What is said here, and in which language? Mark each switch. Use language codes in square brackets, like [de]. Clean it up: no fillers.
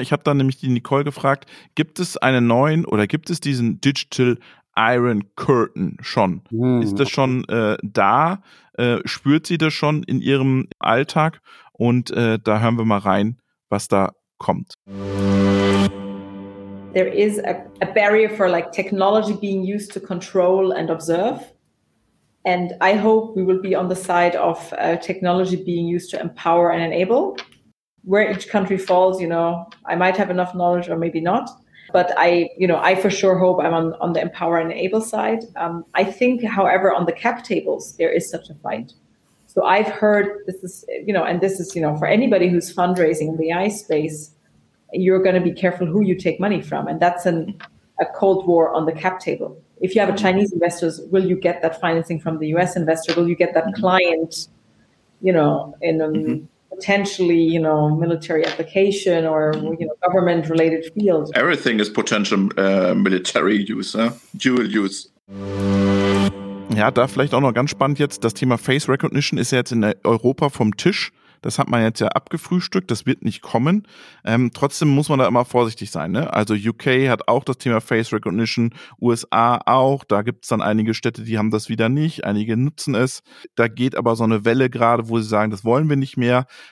[de] Ich habe dann nämlich die Nicole gefragt, gibt es einen neuen oder gibt es diesen Digital Iron Curtain schon? Ist das schon da? Spürt sie das schon in ihrem Alltag? Und da hören wir mal rein, was da kommt. [en] There is a barrier for like technology being used to control and observe. And I hope we will be on the side of technology being used to empower and enable. Where each country falls, you know, I might have enough knowledge or maybe not. But I for sure hope I'm on the empower and enable side. I think, however, on the cap tables, there is such a fight. So I've heard this is, you know, and this is, you know, for anybody who's fundraising in the AI space, you're going to be careful who you take money from. And that's a cold war on the cap table. If you have a Chinese investor, will you get that financing from the US investor? Will you get that client, you know, in potentially, you know, military application or, you know, government related fields. Everything is potential military use, dual use. [de] Ja, da vielleicht auch noch ganz spannend jetzt, das Thema Face Recognition ist ja jetzt in Europa vom Tisch. Das hat man jetzt ja abgefrühstückt, das wird nicht kommen. Trotzdem muss man da immer vorsichtig sein, ne? Also UK hat auch das Thema Face Recognition, USA auch. Da gibt es dann einige Städte, die haben das wieder nicht. Einige nutzen es. Da geht aber so eine Welle gerade, wo sie sagen, das wollen wir nicht mehr.